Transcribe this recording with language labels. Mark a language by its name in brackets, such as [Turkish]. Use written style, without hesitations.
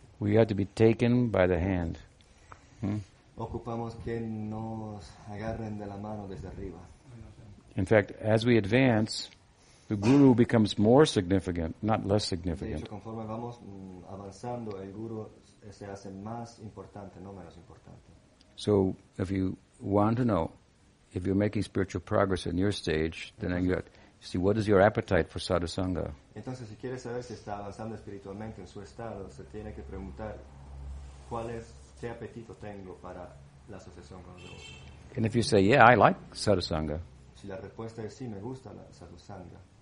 [English] We have to be taken by the hand. Hmm? [Spanish] Ocupamos que nos agarren de la mano desde arriba. [English] In fact, as we advance, the guru becomes more significant, not less significant. [Spanish] De hecho, conforme vamos avanzando, el guru se hace más importante, no menos importante. [English] So, if you want to know if you're making spiritual progress in your stage, then you got to see what is your appetite for sadhusanga. [Spanish] Entonces, si quieres saber si está avanzando espiritualmente en su estado, se tiene que preguntar cuál es qué apetito tengo para la asociación con Dios. [English] And if you say, "Yeah, I like sadhusanga," [Spanish] si la respuesta es sí, me gusta la sadhusanga.